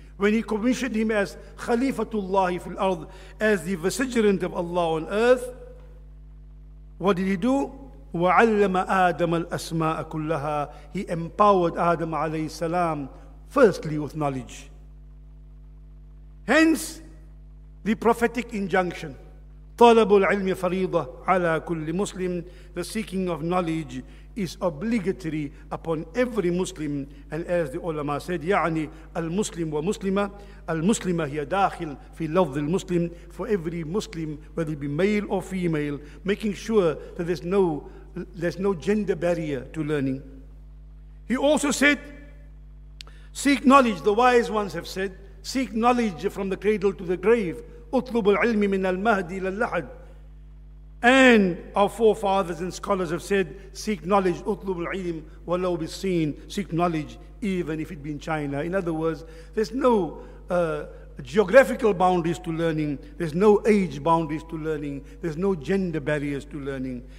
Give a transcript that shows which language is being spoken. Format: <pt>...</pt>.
<en>when he commissioned him as Khalifatullah fil ard, as the vicegerent of Allah on earth, what did he do?</en> <ar>وَعَلَّمَ آدَمَ الْأَسْمَاءَ كُلَّهَا.</ar> <en>He empowered Adam alayhi salam firstly with knowledge. Hence the prophetic injunction,</en> <ar>طَلَبُ الْعِلْمِ فَرِيضَةً عَلَى كُلِّ مُسْلِمٍ.</ar> <en>The seeking of knowledge is obligatory upon every Muslim, and as the ulama said,</en> <ar>يعني المسلم ومسلمة. المسلمة هي داخل في لفظ المسلم,</ar> <en>for every Muslim, whether it be male or female, making sure that there's no gender barrier to learning. He also said, seek knowledge, the wise ones have said, seek knowledge from the cradle to the grave.</en> <ar>أطلب العلم من المهدي إلى اللحد.</ar> <en>And our forefathers and scholars have said, seek knowledge,</en> <ar>أطلب العلم ولو بالصين,</ar> <en>seek knowledge even if it be in China. In other words, there's no geographical boundaries to learning, there's no age boundaries to learning, there's no gender barriers to learning.</en>